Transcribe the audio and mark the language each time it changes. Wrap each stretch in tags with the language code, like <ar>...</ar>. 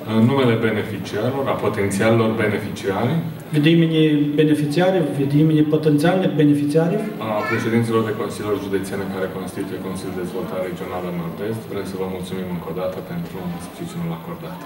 <ro>Numele beneficiarilor, a potențialilor beneficiari.</ro> <uk>Від імені бенефіціарів, від імені потенціальних бенефіціарів.</uk> <ro>A președinților de Consiliul Județean care constituie Consiliul de Dezvoltare Regională Nord-Est, vrem să vă mulțumim încă o dată pentru sprijinul acordat.</ro>